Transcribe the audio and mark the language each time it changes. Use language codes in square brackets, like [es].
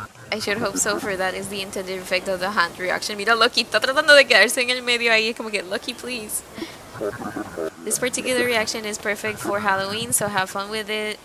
[en] I should hope so, for that is the intended effect of the hand reaction. [es] Mira, Lucky, está tratando de quedarse en el medio ahí. Como que, Lucky, please. [en] This particular reaction is perfect for Halloween, so have fun with it.